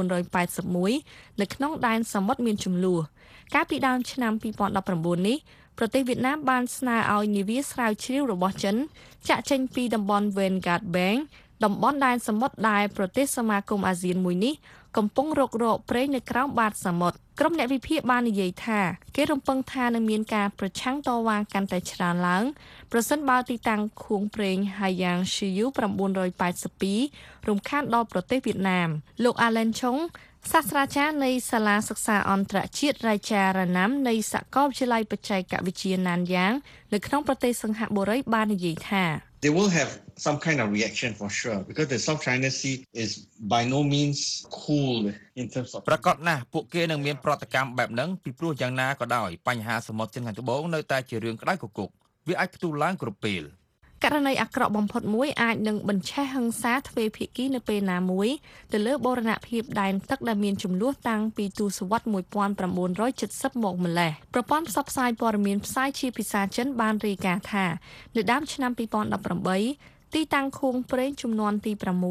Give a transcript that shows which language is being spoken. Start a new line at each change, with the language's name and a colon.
Khmer: 981នៅក្នុងដែនសមុទ្រមានចំនួនកាលពីដើមឆ្នាំ2019នេះប្រទេសវៀតណាមបានស្នើឲ្យនាវាស្រាវជ្រាវរបស់ចិនចាក់ចេញពីតំបន់ Vanguard Bank តំបន់ដែនសមុទ្រដែលប្រទេសសមាគមអាស៊ានមួយនេះកំពុងរករកប្រេងនៅក្រោមបាតសមុទ្រក្រុមអ្នកវិភាគបាននិយាយថាគេរំពឹងថានឹងមានការប្រឆាំងតវ៉ាកាន់តែច្រើនឡើងប្រសិនបើទីតាំងខួងប្រេង Haiyang Shiyu 982រំខានដល់ប្រទេសវៀតណាមលោក Alan Chong សាស្ត្រាចារ្យនៃសាលាសិក្សាអន្តរជាតិរាជារណាំនៃសាកលវិទ្យាល័យបច្ចេកវិទ្យា Nanyang នៅក្នុងប្រទេសសិង្ហបុរីបាននិយាយថា
English: They will have some kind of reaction for sure because the South China Sea is by no means cool in terms of
Khmer: ប្រកបណាស់ពួកគេនឹងមានប្រតិកម្មបែបហ្នឹងពីព្រោះយ៉ាងណាក៏ដោយបញ្ហាសមុទ្រចិនខាងត្បូងនៅតែជារឿងក្តៅគគុកវាអាចផ្ទុះឡើងគ្រប់ពេល ករណីអាក្រក់បំផុតមួយអាចនឹងបញ្ឆេះហិង្សាទ្វេភាគីនៅពេលណាមួយទៅលើបូរណភាពដែនទឹកដែលមានចំនួនតាំងពីទសវត្ស1970មកម្ល៉េះប្រព័ន្ធផ្សព្វផ្សាយព័ត៌មានផ្សាយជាភាសាចិនបានរាយការណ៍ថានៅដើមឆ្នាំ2018ទីតាំងខួងប្រេងចំនួនទី6